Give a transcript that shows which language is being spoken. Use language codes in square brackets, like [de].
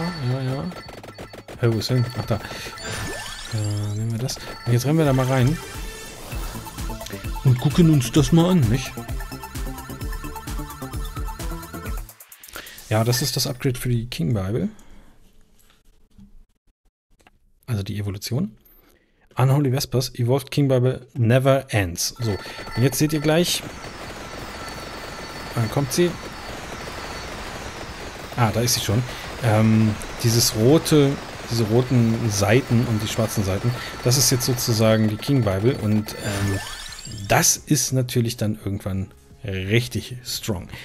[de] Ja. Hey, wo ist denn? Ach, da. Nehmen wir das. Und jetzt rennen wir da mal rein. Und gucken uns das mal an, nicht? Ja, das ist das Upgrade für die King Bible. Also die Evolution. [en] Unholy Vespers, Evolved King Bible never ends. [de] So, und jetzt seht ihr gleich. Dann kommt sie. Ah, da ist sie schon. Diese roten Seiten und die schwarzen Seiten, das ist jetzt sozusagen die King Bible und das ist natürlich dann irgendwann richtig strong.